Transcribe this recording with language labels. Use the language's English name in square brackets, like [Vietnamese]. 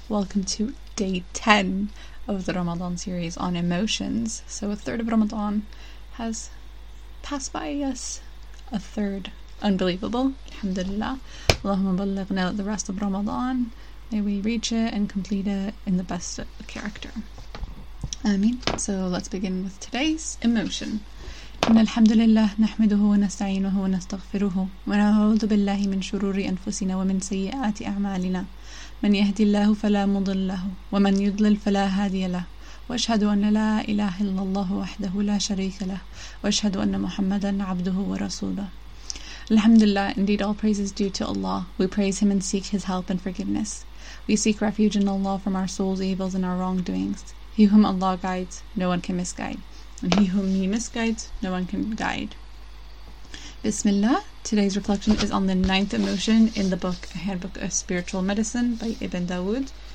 [English] Welcome to day 10 of the Ramadan series on emotions. So a third of Ramadan has passed by, yes. A third. Unbelievable. Alhamdulillah. [Arabic] Allahumma balighna [English] the rest of Ramadan. May we reach it and complete it in the best character. Ameen. So let's begin with today's emotion. [Arabic] إن الحمد لله نحمده ونستعينه ونستغفره ونعوذ بالله من شرور أنفسنا ومن سيئات أعمالنا من يهدي الله فلا مضل له ومن يضلل فلا هادي له وأشهد أن لا إله إلا الله وحده لا شريك له وأشهد أن محمدا عبده ورسوله الحمد لله. [English] Indeed, all praises due to Allah. We praise Him and seek His help and forgiveness. We seek refuge in Allah from our soul's evils and our wrongdoings. He whom Allah guides, no one can misguide. And he whom he misguides, no one can guide. Bismillah. Today's reflection is on the ninth emotion in the book, A Handbook of Spiritual Medicine by Ibn Dawood.